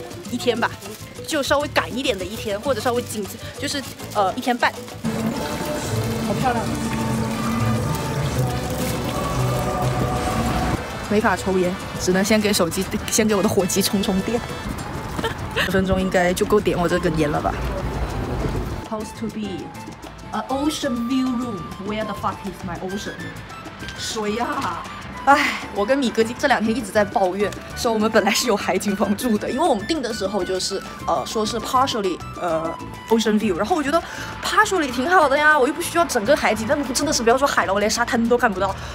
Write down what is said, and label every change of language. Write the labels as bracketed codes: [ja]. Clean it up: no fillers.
[zh] 一天吧，就稍微赶一点的一天，或者稍微紧，就是一天半。好漂亮。没法抽烟，只能先给手机，先给我的火机充充电。十分钟应该就够点我这根烟了吧。 [en] Supposed to be an ocean view room. Where the fuck is my ocean? [zh] 水呀、啊！哎，我跟米哥这两天一直在抱怨，说我们本来是有海景房住的，因为我们订的时候就是说是 [en] partially ocean view， [zh] 然后我觉得 partially 挺好的呀，我又不需要整个海景，但真的是不要说海了，我连沙滩都看不到。